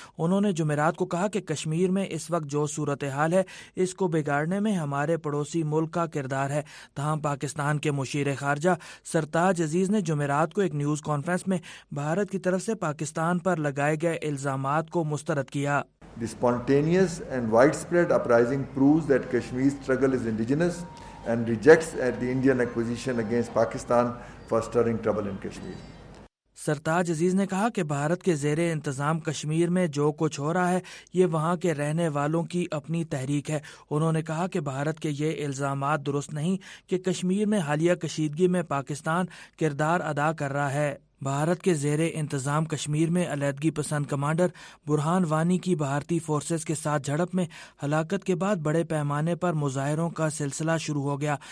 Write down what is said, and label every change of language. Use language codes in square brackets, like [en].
[ur] انہوں نے جمعرات کو کہا کہ کشمیر میں اس وقت جو صورتحال ہے اس کو بگاڑنے میں ہمارے پڑوسی ملک کا کردار ہے. تاہم پاکستان کے مشیر خارجہ سرتاج عزیز نے جمعرات کو ایک نیوز کانفرنس میں بھارت کی طرف سے پاکستان پر لگائے گئے الزامات کو مسترد کیا. [en] The spontaneous and widespread uprising proves that Kashmir's struggle is indigenous and rejects at the Indian acquisition against Pakistan for stirring trouble in Kashmir. [ur] سرتاج عزیز نے کہا کہ بھارت کے زیر انتظام کشمیر میں جو کچھ ہو رہا ہے یہ وہاں کے رہنے والوں کی اپنی تحریک ہے. انہوں نے کہا کہ بھارت کے یہ الزامات درست نہیں کہ کشمیر میں حالیہ کشیدگی میں پاکستان کردار ادا کر رہا ہے. بھارت کے زیر انتظام کشمیر میں علیحدگی پسند کمانڈر برہان وانی کی بھارتی فورسز کے ساتھ جھڑپ میں ہلاکت کے بعد بڑے پیمانے پر مظاہروں کا سلسلہ شروع ہو گیا.